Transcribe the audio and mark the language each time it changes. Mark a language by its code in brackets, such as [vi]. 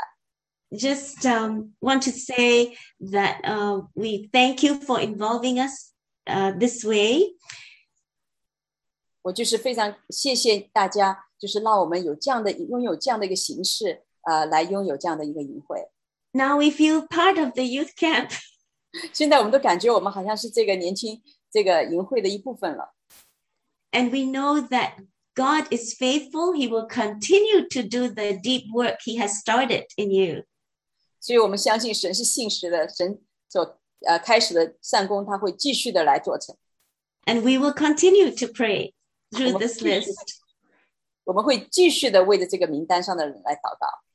[en] want to say that we thank you for involving us this way. [zh] 我就是非常谢谢大家，就是让我们有这样的拥有这样的一个形式，来拥有这样的一个营会。 [en] Now we feel part of the youth camp. [zh] 现在我们都感觉我们好像是这个年轻这个营会的一部分了。 [en] And we know that God is faithful. He will continue to do the deep work He has started in you. [zh] 所以我们相信神是信实的，神所开始的善工，他会继续的来做成。 [en] And we will continue to pray through this list. [zh] 我们会继续的为着这个名单上的人来祷告。